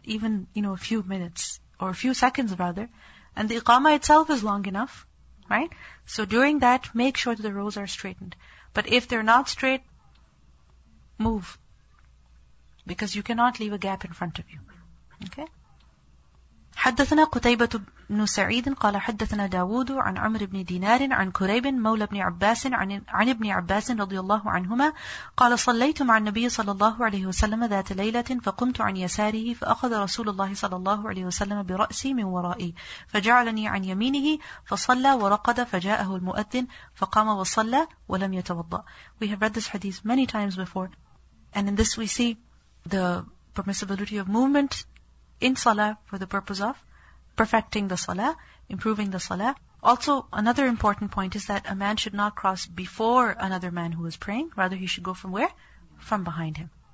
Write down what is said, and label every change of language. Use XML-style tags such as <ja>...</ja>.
<en>Even, you know, a few minutes or a few seconds rather. And the iqama itself is long enough, right? So during that, make sure that the rows are straightened. But if they're not straight, move. Because you cannot leave a gap in front of you. Okay?</en> <ar>حدثنا قتيبة بن سعيد قال حدثنا داود عن عمر بن دينار عن كريب مولى بن عباس عن ابن عباس رضي الله عنهما قال صليت مع النبي صلى الله عليه وسلم ذات ليلة فقمت عن يساره فأخذ رسول الله صلى الله عليه وسلم برأسي من ورائي فجعلني عن يمينه فصلى ورقد فجاءه المؤذن فقام وصلى ولم يتوضأ.</ar> <en>We have read this hadith many times before, and in this we see the permissibility of movement in salah for the purpose of perfecting the salah, improving the salah. Also, another important point is that a man should not cross before another man who is praying. Rather, he should go from where? From behind him.</en>